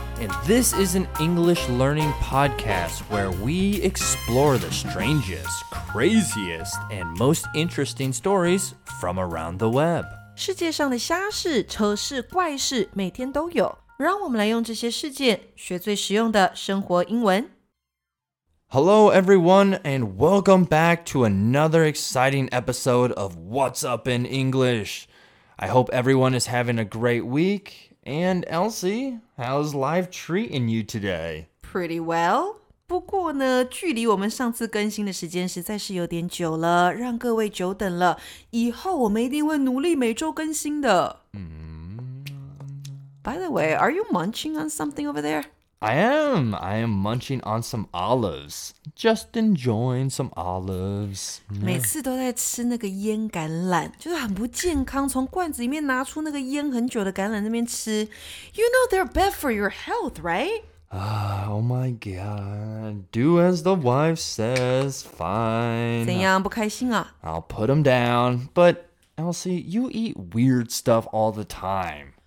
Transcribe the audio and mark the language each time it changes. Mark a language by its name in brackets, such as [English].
[English] And this is an English learning podcast where we explore the strangest, craziest, and most interesting stories from around the web. [Chinese] 世界上的瞎事、丑事、怪事每天都有。让我们来用这些事件学最实用的生活英文。 [English] Hello everyone, and welcome back to another exciting episode of What's Up in English. I hope everyone is having a great week. And Elsie, how's life treating you today? Pretty well. [Chinese] 不过呢，距离我们上次更新的时间实在是有点久了，让各位久等了。以后我们一定会努力每周更新的。 [English] By the way, are you munching on something over there? I am munching on some olives. Just enjoying some olives. [Chinese] 每次都在吃那个腌橄榄，就是很不健康，从罐子里面拿出那个腌很久的橄榄那边吃。 [English] You know they're bad for your health, right? Oh my god. Do as the wife says, fine. [Chinese] 怎样不开心啊？ [English] I'll put them down. But, Elsie, you eat weird stuff all the time.